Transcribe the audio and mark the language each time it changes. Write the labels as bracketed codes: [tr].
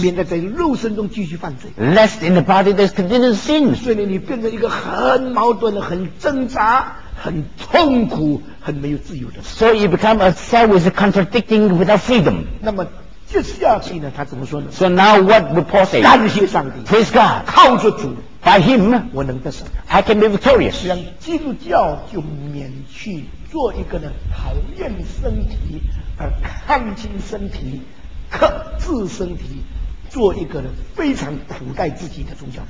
[zh] 免得在肉身中继续犯罪。 [en] Lest in the body there's continual sin. [zh] 所以你变成一个很矛盾的，很挣扎，很痛苦，很没有自由的。 [en] So you become a self with a contradicting without freedom. [zh] 那么接下去呢，他怎么说呢？ [en] So now what we Paul say? [zh] 感谢上帝。 [en] Praise God. [zh] 靠着主。 [en] By him, [zh] 我能得胜。 [en] I can be victorious. [zh] 这样基督教就免去做一个呢讨厌身体而看轻身体、克制身体，做一个呢非常苦待自己的宗教。